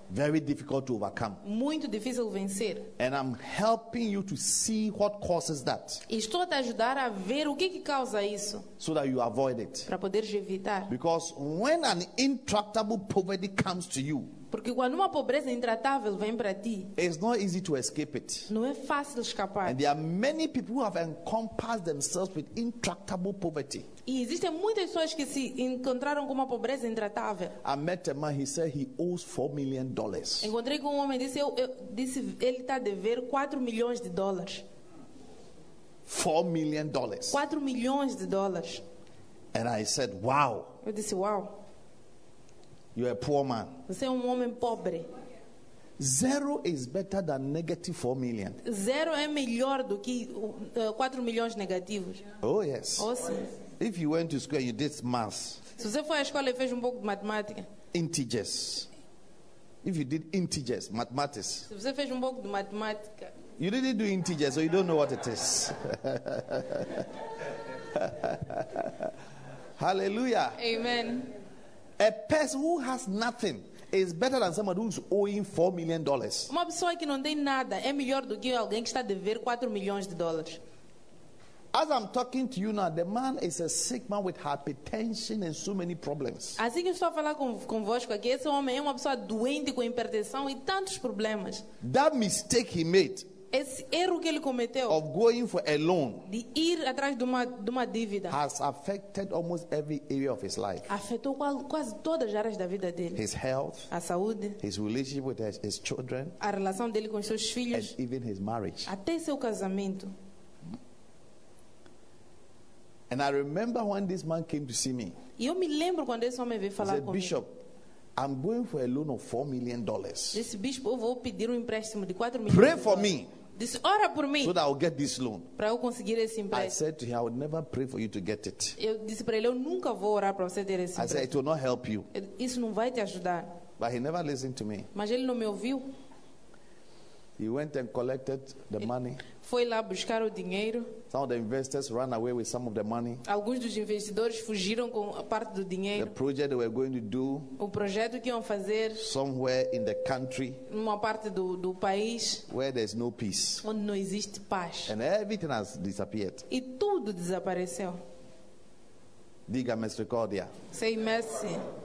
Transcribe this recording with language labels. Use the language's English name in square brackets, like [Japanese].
[English] Very difficult to overcome. [Portuguese] Muito difícil vencer. [English] And I'm helping you to see what causes that. [Portuguese] Estou a te ajudar a ver o que causa isso. [English] So that you avoid it. [Portuguese] Para poder evitar. [English] Because when an intractable poverty comes to you, [Portuguese] porque quando uma pobreza intratável vem para ti, [English] it's not easy to escape it. [Portuguese] Não é fácil escapar. [English] And there are many people who have encompassed themselves with intractable poverty. [Portuguese] E existem muitas pessoas que se encontraram com uma pobreza intratável. [English] I met a man, he said he owes $4 million. [Portuguese] Encontrei com um homem, disse ele está a dever $4 [English] million. $4 million. $4 million. And I said, wow. [Portuguese] Eu disse, uau. [English] You are a poor man. [Portuguese] Você é homem pobre. [English] Zero is better than negative 4 million. [Portuguese] Zero é melhor do que 4 milhões negativos. [English] Oh yes. [Portuguese] Oh, sim. [English] If you went to school and you did math. [Portuguese] Se você foi à escola e fez pouco de matemática. [English] Integers. If you did integers, mathematics. [Portuguese] Se você fez pouco de matemática. [English] You didn't do integers, so you don't know what it is. Hallelujah. Amen. A person who has nothing is better than someone who is owing $4 million. [Portuguese] Uma pessoa que não tem nada é melhor do que alguém que está a dever 4 milhões de dólares. [English] As I'm talking to you now, the man is a sick man with hypertension and so many problems. [Portuguese] Assim que estou a falar convosco aqui, esse homem é uma pessoa doente com hipertensão e tantos problemas. [English] That mistake he made. [Portuguese] Esse erro que ele cometeu. [English] Of going for a loan. [Portuguese] De ir atrás de uma dívida. [English] Has affected almost every area of his life. [Portuguese] Afetou quase todas as áreas da vida dele. [English] His health. [Portuguese] A saúde. [English] His relationship with his children. [Portuguese] A relação dele com seus filhos. [English] And even his marriage. [Portuguese] Até seu casamento. [English] And I remember when this man came to see me. [Portuguese] Eu me lembro quando esse homem veio falar comigo. [English] Bishop, I'm going for a loan of $4 million. [Portuguese] Disse, bispo, eu vou pedir empréstimo de 4 milhões. [English] Pray for me. [Portuguese] Disse, ora por mim. [English] So that I'll get this loan. [Portuguese] Para eu conseguir esse empréstimo. [English] I said to him, I would never pray for you to get it. [Portuguese] Eu disse para ele, eu nunca vou orar para você ter esse empréstimo. [English] I said, it will not help you. [Portuguese] Isso não vai te ajudar. [English] But he never listened to me. [Portuguese] Mas ele não me ouviu. [English] He went and collected the money. [Portuguese] Foi lá buscar o dinheiro. [English] Some of the investors ran away with some of the money. [Portuguese] Alguns dos investidores fugiram com a parte do dinheiro. [English] The project they were going to do. [Portuguese] O projeto que iam fazer. [English] Somewhere in the country. [Portuguese] Numa parte do país. [English] Where there's no peace. [Portuguese] Onde não existe paz. [English] And everything has disappeared. [Portuguese] E tudo desapareceu. Diga misericórdia. [English] Say mercy.